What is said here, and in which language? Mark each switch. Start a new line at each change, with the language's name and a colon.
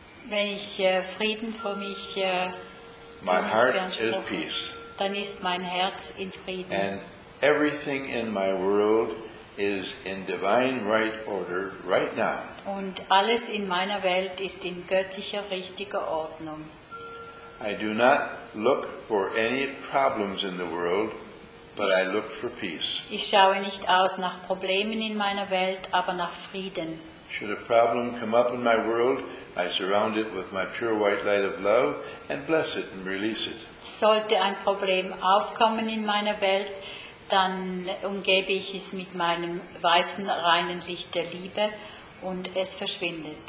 German: Wenn ich Frieden für mich
English: my heart is peace.
German: Dann ist mein Herz in Frieden.
English: And everything in my world is in divine right order right now.
German: Und alles in meiner Welt ist in göttlicher richtiger Ordnung.
English: I do not look for any problems in the world, but I look for peace.
German: Ich schaue nicht aus nach Problemen in meiner Welt, aber nach Frieden.
English: Should a problem come up in my world, I surround it with my pure white light of love and bless it and release it.
German: Sollte ein Problem aufkommen in meiner Welt, dann umgebe ich es mit meinem weißen, reinen Licht der Liebe und es verschwindet.